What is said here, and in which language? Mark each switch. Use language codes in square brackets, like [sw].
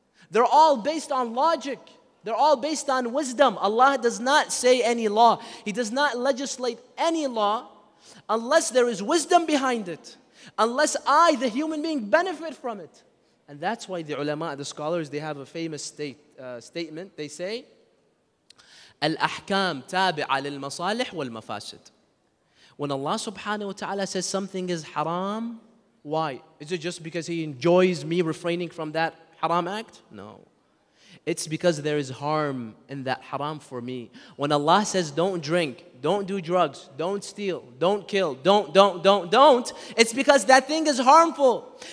[en] They're all based on logic. They're all based on wisdom. Allah does not say any law. He does not legislate any law unless there is wisdom behind it. Unless I, the human being, benefit from it. And that's why the ulama, the scholars, they have a famous statement. They say, [ar] الأحكام تابعة للمصالح والمفاسد. [en] When Allah subhanahu wa ta'ala says something is haram, why? Is it just because He enjoys me refraining from that haram act? No. It's because there is harm in that haram for me. When Allah says don't drink, don't do drugs, don't steal, don't kill, don't, it's because that thing is harmful.